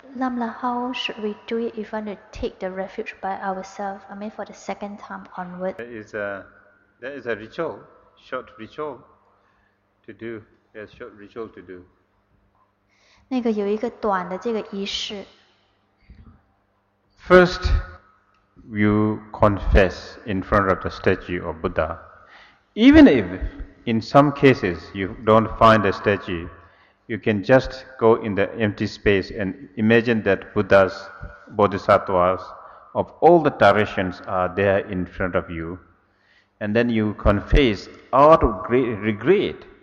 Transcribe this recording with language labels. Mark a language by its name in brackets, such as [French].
[English] Lamla, how should we do it if we want to take the refuge by ourselves? I mean for the second time onward. There is a ritual, short ritual to do. There's short ritual to do. [Chinese] 那个有一个短的这个仪式。 [English] First, you confess in front of the statue of Buddha. Even if in some cases you don't find a statue, you can just go in the empty space and imagine that Buddhas, Bodhisattvas of all the traditions are there in front of you, and then you confess out of great regret.